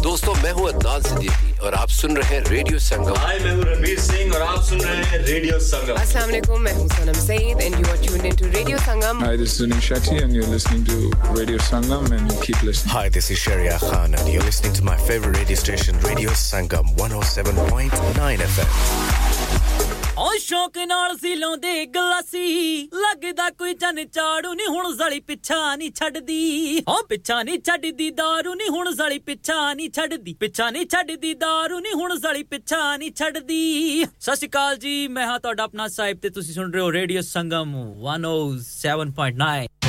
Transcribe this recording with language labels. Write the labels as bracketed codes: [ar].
[hi] दोस्तों मैं हूँ अदनान सिद्दीकी और आप सुन रहे हैं Radio Sangam. Hi, मैं हूँ रणवीर सिंह और आप सुन रहे हैं Radio Sangam. Assalam Alaikum. मैं हूँ [en] Sanam Saeed and you are tuned into Radio Sangam. Hi, this is Anil Shetty and you're listening to Radio Sangam and keep listening. Hi, this is Sharia Khan and you're listening to my favorite radio station, Radio Sangam 107.9 FM. [pa] ਓ ਸ਼ੌਕ ਨਾਲ ਸੀ ਲਾਉਂਦੇ ਗਲਾਸੀ ਲੱਗਦਾ ਕੋਈ ਚੰਨ ਚਾੜੂ ਨੀ ਹੁਣ ਜ਼ਲੀ ਪਿੱਛਾ ਨੀ ਛੱਡਦੀ ਓ ਪਿੱਛਾ ਨੀ ਛੱਡਦੀ ਦਾਰੂ ਨੀ ਹੁਣ ਜ਼ਲੀ ਪਿੱਛਾ ਨੀ ਛੱਡਦੀ ਪਿੱਛਾ ਨੀ ਛੱਡਦੀ ਦਾਰੂ ਨੀ ਹੁਣ ਜ਼ਲੀ ਪਿੱਛਾ ਨੀ ਛੱਡਦੀ ਸਤਿ ਸ਼੍ਰੀ ਅਕਾਲ ਜੀ ਮੈਂ ਹਾਂ ਤੁਹਾਡਾ ਆਪਣਾ ਸਾਹਿਬ ਤੇ ਤੁਸੀਂ ਸੁਣ ਰਹੇ ਹੋ ਰੇਡੀਓ ਸੰਗਮ 107.9